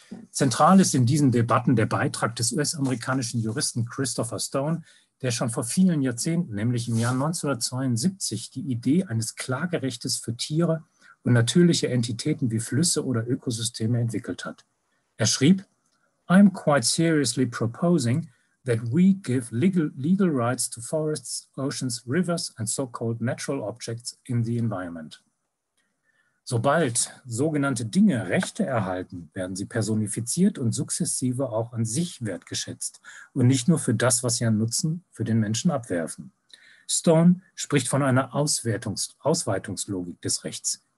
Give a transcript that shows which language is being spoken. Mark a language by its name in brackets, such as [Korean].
[German] Zentral ist in diesen Debatten der Beitrag des US-amerikanischen Juristen Christopher Stone, der schon vor vielen Jahrzehnten, nämlich im Jahr 1972, die Idee eines Klagerechtes für Tiere und natürliche Entitäten wie Flüsse oder Ökosysteme entwickelt hat. Er schrieb, [English] "I'm quite seriously proposing that we give legal rights to forests, oceans, rivers and so-called natural objects in the environment." [German] Sobald sogenannte Dinge Rechte erhalten, werden sie personifiziert und sukzessive auch an sich wertgeschätzt und nicht nur für das, was sie an Nutzen für den Menschen abwerfen. Stone spricht von einer Ausweitungslogik des Rechts.